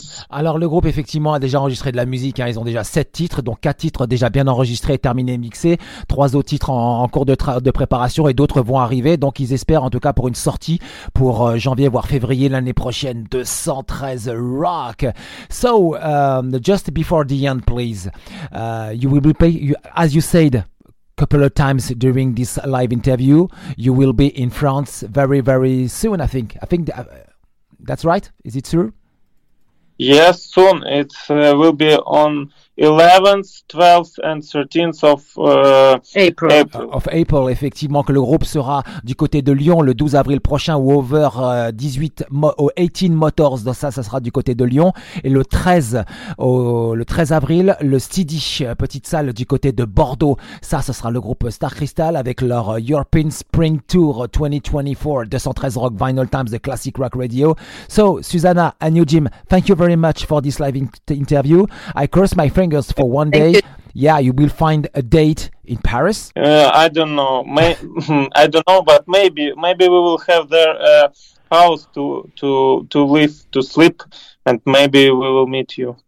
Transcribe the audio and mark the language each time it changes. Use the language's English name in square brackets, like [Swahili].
[French] Alors le groupe effectivement a déjà enregistré de la musique hein. Ils ont déjà 7 titres, donc 4 titres déjà bien enregistrés, terminés, mixés, 3 autres titres en cours de préparation, et d'autres vont arriver, donc ils espèrent en tout cas pour une sortie pour janvier voire février l'année prochaine. [English] 213 Rock. So just before the end, please, as you said couple of times during this live interview, you will be in France very, very soon, I think. I think that's right. Is it true? Yes, soon. It will be on 11th, 12th and 13th of April, [French] effectivement, que le groupe sera du côté de Lyon le 12 avril prochain au Over 18 au 18 Motors, donc ça sera du côté de Lyon, et le 13 avril le Steady, petite salle du côté de Bordeaux, ça ce sera le groupe Star Crystal avec leur European Spring Tour 2024, 213 Rock Vinyl Times, The Classic Rock Radio. [English] So Susanna and you Jim, thank you very much for this live interview. I cross my fingers for one day. Yeah, you will find a date in Paris. I don't know. I don't know, but maybe we will have their house to live, to sleep, and maybe we will meet you.